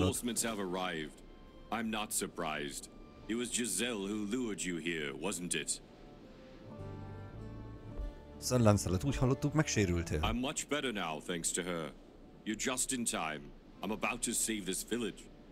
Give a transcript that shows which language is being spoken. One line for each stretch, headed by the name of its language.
English: Reinforcements have arrived. I'm not surprised. It was Giselle who lured you here, wasn't it?
Hungarian: Sir Lancelot, úgy hallottuk, megsérültél.
English: I'm much better now, thanks to her. You're just in time. I'm about to save this village.